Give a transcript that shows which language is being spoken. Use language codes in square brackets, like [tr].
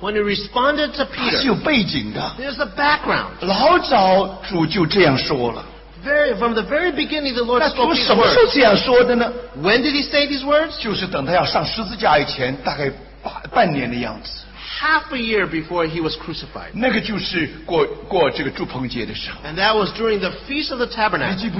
[en] when he responded to Peter, [zh] 他是有背景的, [en] there's a background. [zh] 老早主就这样说了, [en] from the very beginning the Lord spoke these words. When did he say these words? [zh] 就是等他要上十字架以前, 大概半年的样子, [en] half a year before he was crucified. [zh] 那个就是过这个祝棚节的时候, [en] and that was during the Feast of the Tabernacle.